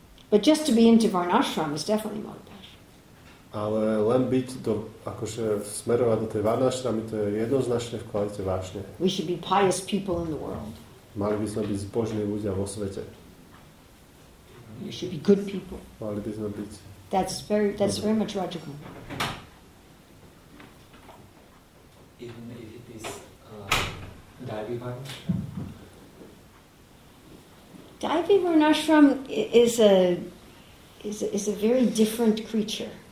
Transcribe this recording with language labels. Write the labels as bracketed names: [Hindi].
[English] But just to be into Varnashrama is definitely more passion. [Slovak] Ale len byť to, akože smerovať do tej Varnashramy, to je jednoznačne v kvalite vášne. [English] We should be pious people in the world. [Slovak] Mali by sme byť zbožní ľudia vo svete. [English] We should be good people. [Slovak] Mali by sme byť. [English] That's very much logical. Even if it is a Daivi Varnashram. Daivi Varnashram is a very different creature.